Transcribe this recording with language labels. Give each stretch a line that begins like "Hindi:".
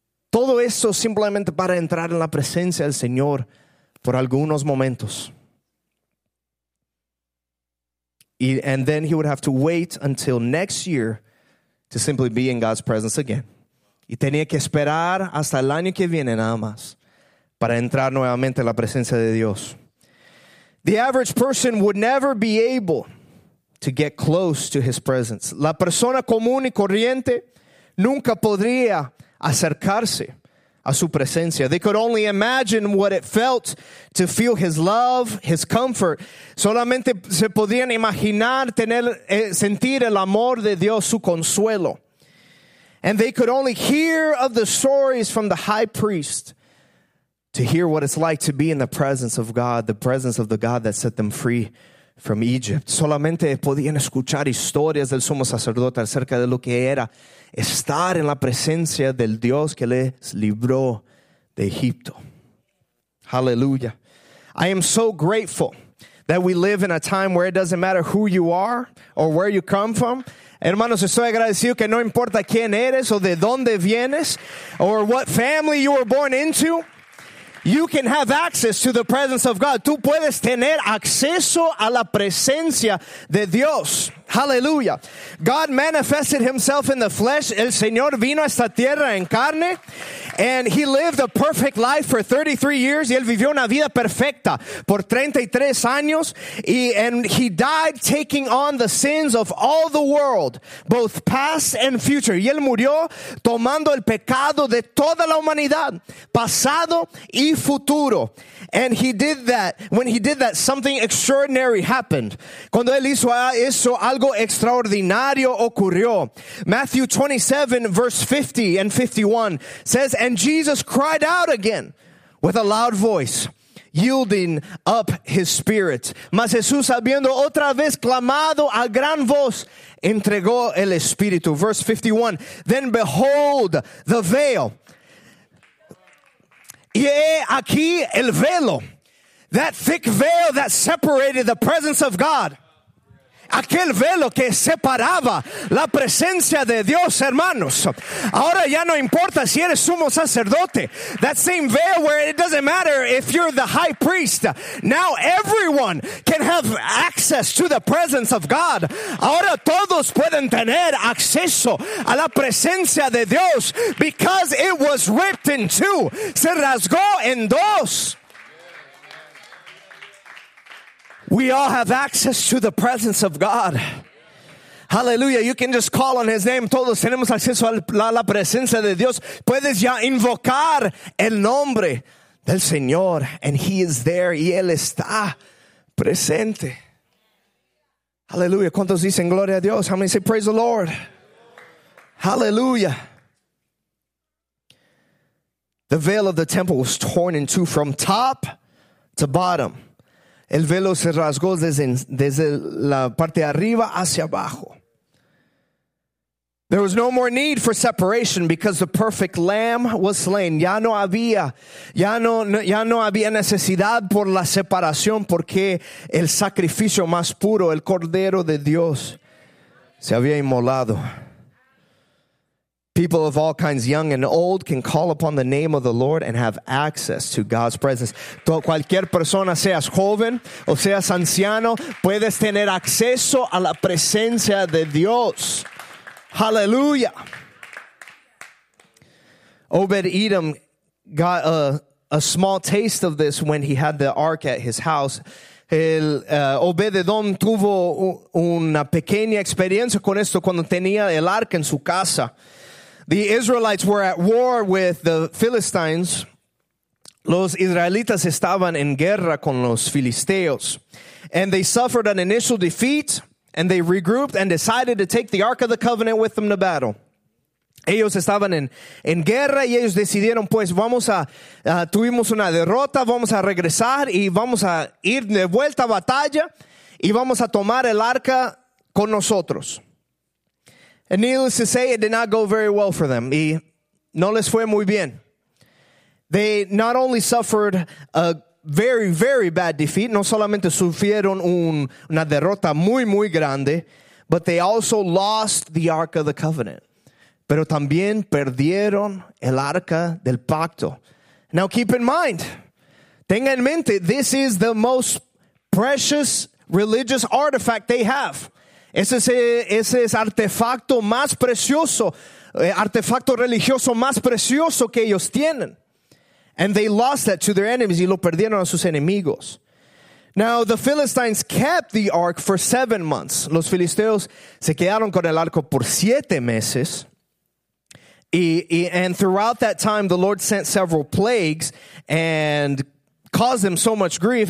Spanish: Todo eso simplemente para entrar en la presencia del Señor por algunos momentos.
English: And then he would have to wait until next year to simply be in God's presence again.
Spanish: Y tenía que esperar hasta el año que viene nada más para entrar nuevamente en la presencia de Dios.
English: The average person would never be able to get close to his presence.
Spanish: La persona común y corriente nunca podría acercarse a su presencia.
English: They could only imagine what it felt to feel his love, his comfort.
Spanish: Solamente se podían imaginar sentir el amor de Dios, su consuelo.
English: And they could only hear of the stories from the high priest to hear what it's like to be in the presence of God, the presence of the God that set them free from Egypt.
Spanish: Solamente podían escuchar historias del sumo sacerdote acerca de lo que era estar en la presencia del Dios que les libró de Egipto.
English: Hallelujah. I am so grateful that we live in a time where it doesn't matter who you are or where you come from.
Spanish: Hermanos, estoy agradecido que no importa quién eres o de dónde vienes
English: or what family you were born into. You can have access to the presence of God.
Spanish: Tú puedes tener acceso a la presencia de Dios.
English: Hallelujah. God manifested himself in the flesh.
Spanish: El Señor vino a esta tierra en carne.
English: And he lived a perfect life for 33 years.
Spanish: Y él vivió una vida perfecta por 33 años.
English: And he died taking on the sins of all the world, both past and future.
Spanish: Y él murió tomando el pecado de toda la humanidad, pasado y futuro.
English: And he did that. When he did that, something extraordinary happened.
Spanish: Cuando él hizo eso, algo extraordinario ocurrió.
English: Matthew 27, verse 50 and 51 says, "And Jesus cried out again with a loud voice, yielding up his spirit.
Spanish: Mas Jesús, habiendo otra vez clamado a gran voz, entregó el espíritu."
English: Verse 51, "Then behold the veil."
Spanish: Y aquí el velo,
English: that thick veil that separated the presence of God.
Spanish: Aquel velo que separaba la presencia de Dios, hermanos. Ahora ya no importa si eres sumo sacerdote.
English: That same veil where it doesn't matter if you're the high priest. Now everyone can have access to the presence of God.
Spanish: Ahora todos pueden tener acceso a la presencia de Dios
English: because it was ripped in two.
Spanish: Se rasgó en dos.
English: We all have access to the presence of God. Hallelujah. You can just call on his name.
Spanish: Todos tenemos acceso a la presencia de Dios. Puedes ya invocar el nombre del Señor.
English: And he is there.
Spanish: Y él está presente. Hallelujah. ¿Cuántos dicen gloria a Dios?
English: How many say praise the Lord? Hallelujah. The veil of the temple was torn in two from top to bottom.
Spanish: El velo se rasgó desde la parte de arriba hacia abajo.
English: There was no more need for separation because the perfect lamb was slain.
Spanish: Ya no había necesidad por la separación porque el sacrificio más puro, el cordero de Dios, se había inmolado.
English: People of all kinds, young and old, can call upon the name of the Lord and have access to God's presence.
Spanish: Cualquier persona, seas joven o seas anciano, puedes tener acceso a la presencia de Dios.
English: Hallelujah. Obed-Edom got a small taste of this when he had the ark at his house.
Spanish: Obed-Edom tuvo una pequeña experiencia con esto cuando tenía el arca en su casa.
English: The Israelites were at war with the Philistines.
Spanish: Los israelitas estaban en guerra con los filisteos.
English: And they suffered an initial defeat, and they regrouped and decided to take the Ark of the Covenant with them to battle.
Spanish: Ellos estaban en guerra y ellos decidieron, pues, tuvimos una derrota, vamos a regresar y vamos a ir de vuelta a batalla y vamos a tomar el arca con nosotros.
English: And needless to say, it did not go very well for them.
Spanish: Y no les fue muy bien.
English: They not only suffered a very, very bad defeat,
Spanish: no solamente sufrieron una derrota muy, muy grande,
English: but they also lost the Ark of the Covenant.
Spanish: Pero también perdieron el Arca del Pacto.
English: Now keep in mind,
Spanish: tenga en mente,
English: this is the most precious religious artifact they have.
Spanish: Ese es artefacto más precioso, artefacto religioso más precioso que ellos tienen.
English: And they lost that to their enemies,
Spanish: y lo perdieron a sus enemigos.
English: Now, the Philistines kept the ark for 7 months.
Spanish: Los filisteos se quedaron con el arco por 7 meses.
English: And throughout that time, the Lord sent several plagues and caused them so much grief.